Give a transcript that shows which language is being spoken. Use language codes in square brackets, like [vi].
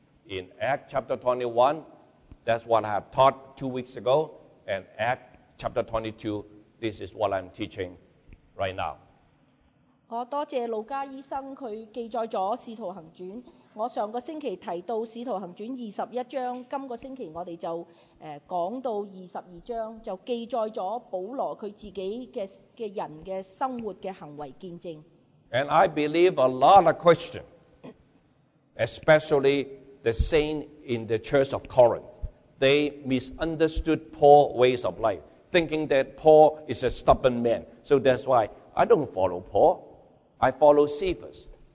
[en] In Acts chapter 21, that's what I have taught 2 weeks ago. And Acts chapter 22, this is what I'm teaching right now. [zh] 我多谢路加医生，他记载了《使徒行传》。我上个星期提到《使徒行传》21章，今个星期我们就讲到22章，就记载了保罗他自己的人的生活的行为见证。 [en] And I believe a lot of Christians, especially the saints in the Church of Corinth, they misunderstood Paul's ways of life, thinking that Paul is a stubborn man. So that's why I don't follow Paul. I follow Cephas.